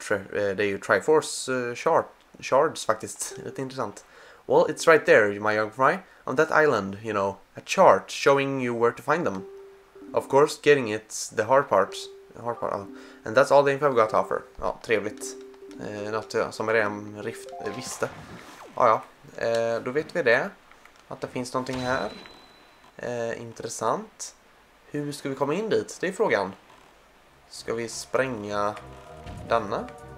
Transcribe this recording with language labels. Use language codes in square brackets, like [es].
[sv] Det är ju Triforce shards faktiskt. Lite intressant. [en] Well, it's right there, my young fry. On that island, you know. A chart showing you where to find them. Of course, getting it's the hard part. And that's all the info I've got to offer. [sv] Ja, trevligt. Något som jag redan visste. Ja. Då vet vi det. Att det finns någonting här. Intressant. Hur ska vi komma in dit? Det är frågan. Ska vi spränga denna?